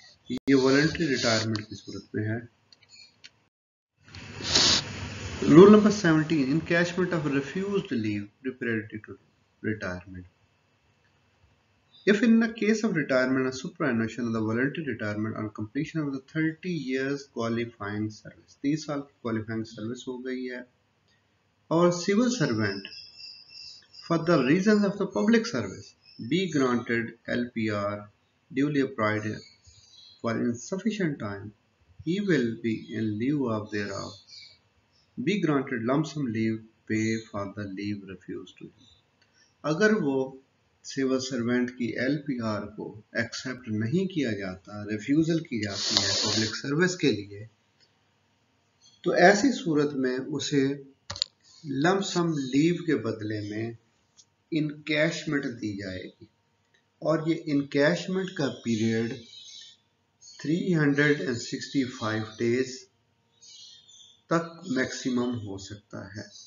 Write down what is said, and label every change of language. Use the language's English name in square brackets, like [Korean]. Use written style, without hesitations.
[Urdu] یہ voluntary retirement کی صورت میں ہے. [English] Rule number 17, encashment of refused leave preparatory to retirement. If in the case of retirement a superannuation of the voluntary retirement on completion of the 30 years qualifying service, [Urdu] 30 سال کی qualifying service ہو گئی ہے, [English] اور civil servant for the reasons of the public service be granted LPR duly applied for insufficient time, he will be in lieu of thereof be granted lump sum leave pay for the leave refused to him. [Urdu] اگر وہ civil servant کی L P R کو accept نہیں کیا جاتا, refusal کی جاتی ہے پبلک سروس کے لیے, تو ایسی صورت میں اسے لمپ سم لیو کے بدلے میں انکیشمنٹ دی جائے گی, اور یہ انکیشمنٹ کا پیریڈ 365 ڈیز تک میکسیمم ہو سکتا ہے.